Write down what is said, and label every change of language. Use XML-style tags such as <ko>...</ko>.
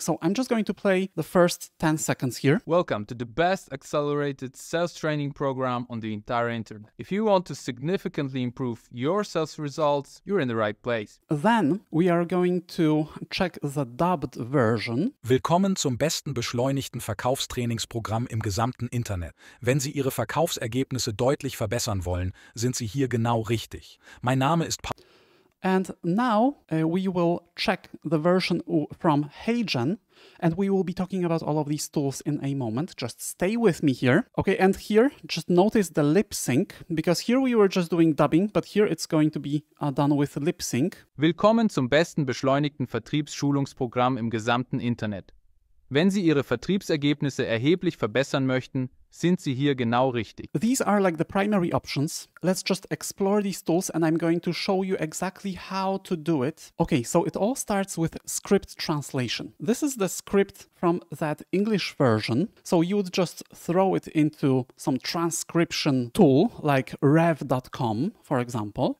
<en>So I'm just going to play the first 10 seconds here. Welcome to the best accelerated sales training program on the entire internet. If you want to significantly improve your sales results, you're in the right place. Then we are going to check the dubbed version.</en> <de>Willkommen zum besten beschleunigten Verkaufstrainingsprogramm im gesamten Internet. Wenn Sie Ihre Verkaufsergebnisse deutlich verbessern wollen, sind Sie hier genau richtig. Mein Name ist Paul.</de> <en>And now we will check the version from HeyGen, and we will be talking about all of these tools in a moment. Just stay with me here. Okay, and here, just notice the lip sync, because here we were just doing dubbing, but here it's going to be done with lip sync.</en> <de>Willkommen zum besten beschleunigten Vertriebsschulungsprogramm im gesamten Internet. Wenn Sie Ihre Vertriebsergebnisse erheblich verbessern möchten, sind Sie hier genau richtig.</de> <en>These are like the primary options. Let's just explore these tools and I'm going to show you exactly how to do it. Okay, so it all starts with script translation. This is the script from that English version. So you would just throw it into some transcription tool like rev.com, for example.</en>